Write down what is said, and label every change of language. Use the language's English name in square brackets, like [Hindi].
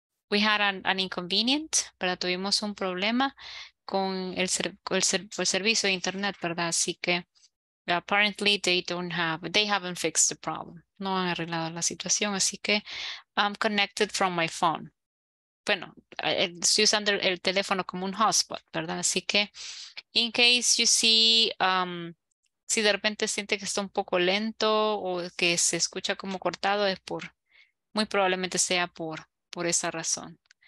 [English] We had an inconvenient, [Spanish] pero tuvimos un problema con el servicio de internet, ¿verdad? Así que [English] apparently they haven't fixed the problem. [Spanish] No han arreglado la situación, así que [English] I'm connected from my phone. [Spanish] Bueno, estoy usando el teléfono como un hotspot, ¿verdad? Así que, [English] in case you see, [Spanish] si de repente siente que está un poco lento o que se escucha como cortado, es por, muy probablemente sea por esa razón.